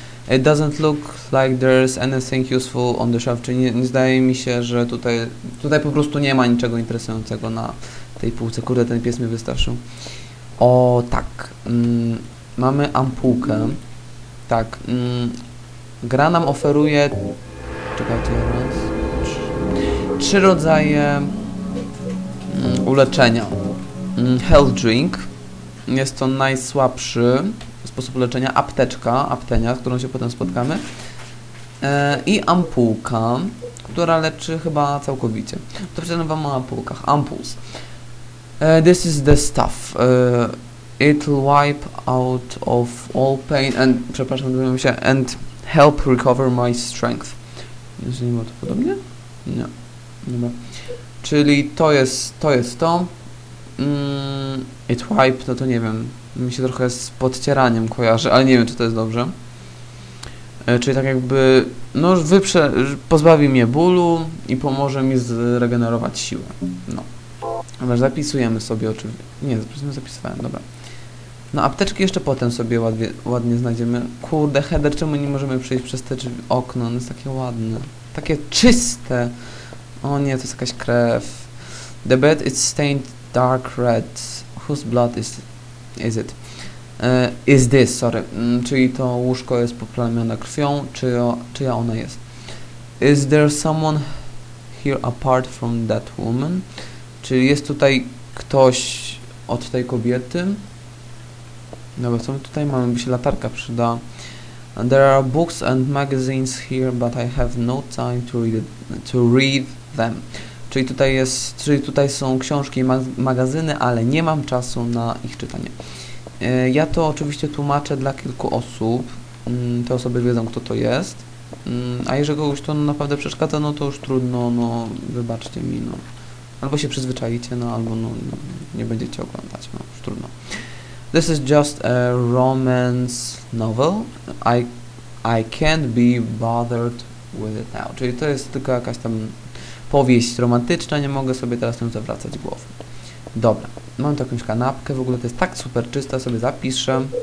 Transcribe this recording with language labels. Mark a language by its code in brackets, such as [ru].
[en] It doesn't look like there's anything useful on the shelf. [pl] Czyli nie zdaje mi się, że tutaj po prostu nie ma niczego interesującego na tej półce. Kurde, ten pies mnie wystraszył. O, tak. Mamy ampułkę. Tak. Gra nam oferuje... Czekajcie, raz. Trzy rodzaje uleczenia. Health drink. Jest to najsłabszy sposób leczenia. Apteczka, aptenia, z którą się potem spotkamy. I ampułka, która leczy chyba całkowicie. To przecież wam o ampułkach. [en] Ampuls. This is the stuff. It'll wipe out of all pain and... [pl] Przepraszam, zmieniłem się. [en] And help recover my strength. [pl] Jeszcze nie ma to podobnie? Nie. Dobra. Czyli to jest to. [en] It wipe, [pl] no to nie wiem. Mi się trochę z podcieraniem kojarzy, ale nie wiem, czy to jest dobrze. Czyli tak jakby... No, pozbawi mnie bólu i pomoże mi zregenerować siłę. No. Dobra, zapisujemy sobie oczywiście. Nie, zapisywałem, dobra. No, apteczki jeszcze potem sobie ładnie znajdziemy. Kurde, Heather, czemu nie możemy przejść przez te okno? One jest takie ładne. Takie czyste. O nie, to jest jakaś krew. [en] The bed is stained dark red. Whose blood is it? Is this, sorry. [pl] Czyli to łóżko jest poplamione krwią. Czyja ona jest? [en] Is there someone here apart from that woman? [pl] Czyli jest tutaj ktoś od tej kobiety? Dobra, co my tutaj mamy? By się latarka przyda. [en] There are books and magazines here, but I have no time to read them. [pl] Czyli tutaj są książki i magazyny, ale nie mam czasu na ich czytanie. Ja to oczywiście tłumaczę dla kilku osób. Te osoby wiedzą, kto to jest. A jeżeli kogoś to naprawdę przeszkadza, no to już trudno, no wybaczcie mi, no. Albo się przyzwyczajicie, no albo no, nie będziecie oglądać, no już trudno. [en] This is just a romance novel. I can't be bothered with it now. [pl] Czyli to jest tylko jakaś tam powieść romantyczna, nie mogę sobie teraz tym zawracać głowy. Dobra, mam tu jakąś kanapkę, w ogóle to jest tak super czysta, sobie zapiszę.